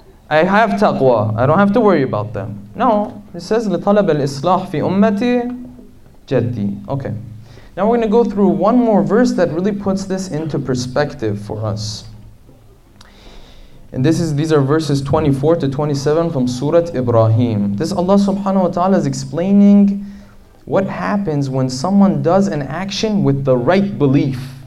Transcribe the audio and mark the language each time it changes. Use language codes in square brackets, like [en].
[en] I have taqwa. I don't have to worry about them. No, it says [ar] لطلب الإصلاح في أمتي جدي. [en] Okay. Now we're going to go through one more verse that really puts this into perspective for us. And these are verses 24 to 27 from Surah Ibrahim. This Allah subhanahu wa ta'ala is explaining what happens when someone does an action with the right belief.